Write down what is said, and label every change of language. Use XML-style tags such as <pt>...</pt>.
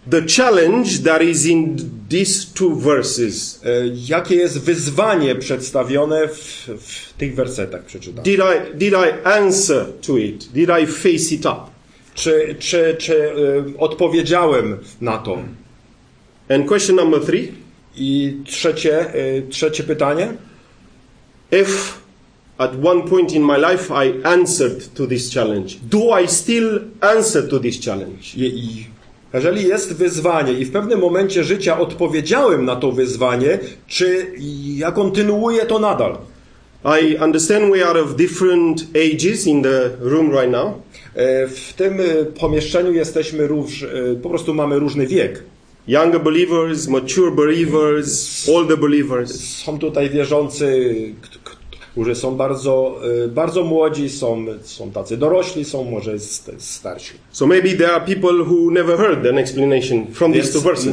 <en>The challenge that is in these two verses.</en> <pl>Jakie jest wyzwanie przedstawione w tych wersetach przeczytanych?</pl> <en>Did I answer to it? Did I face it up?</en> <pl>Czy odpowiedziałem na to?</pl> <en>And question number three.</en> <pl>I trzecie pytanie.</pl> <en>If at one point in my life I answered to this challenge, do I still answer to this challenge?</en> <pl>Jeżeli jest wyzwanie i w pewnym momencie życia odpowiedziałem na to wyzwanie, czy ja kontynuuję to nadal?</pl> <en>I understand we are of different ages in the room right now.</en> <pl>W tym pomieszczeniu jesteśmy po prostu mamy różny wiek.</pl> <en>Younger believers, mature believers, older believers.</en> <pl>Są tutaj wierzący, którzy są bardzo, bardzo młodzi, są tacy dorośli, są może starsi.</pl> <en>So maybe there are people who never heard an explanation from these two verses.</en>